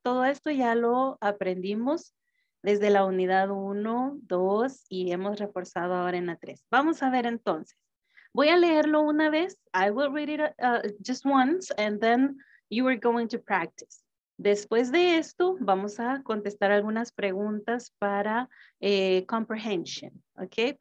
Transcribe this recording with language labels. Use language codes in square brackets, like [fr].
[es] Todo esto ya lo aprendimos desde la unidad 1, 2 y hemos reforzado ahora en la 3. Vamos a ver entonces. Voy a leerlo una vez. [en] I will read it just once and then you are going to practice. [es] Después de esto, vamos a contestar algunas preguntas para comprehension, ¿ok?